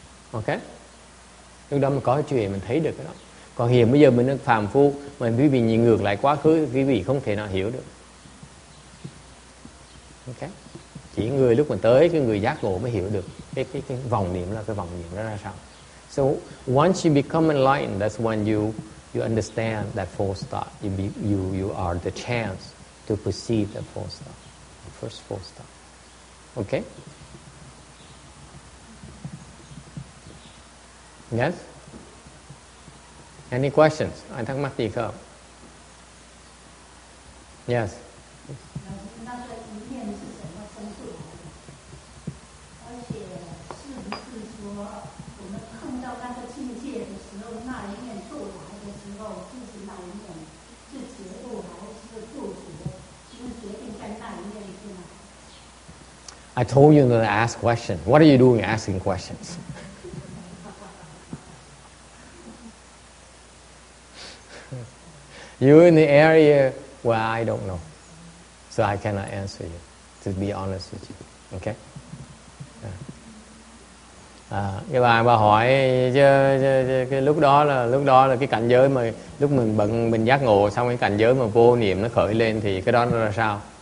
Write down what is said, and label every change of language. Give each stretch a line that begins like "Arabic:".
Vietnamese: Ok? Lúc đó mình có chuyện mình thấy được cái đó. Còn hiện bây giờ mình đang phàm phu, mà quý vị nhìn ngược lại quá khứ, quý vị không thể nào hiểu được. Ok? Chỉ người lúc mình tới, cái người giác ngộ mới hiểu được cái vòng niệm là cái vòng niệm đó ra sao.
English: So once you become enlightened, that's when you understand that false thought. You are the chance to perceive that false thought. The first false thought. Okay? Yes? Any questions?
Vietnamese: Ai thắc mắc gì không?
English: Yes. I told you not to ask questions. What are you doing asking questions? You're in the area where I don't know. So I cannot answer you, to be honest with you. Okay?
Vietnamese: Cái bà hỏi cái lúc đó là cái cảnh giới mà lúc mình bận mình giác ngộ xong cái cảnh giới mà vô niệm nó khởi lên thì cái đó nó là sao?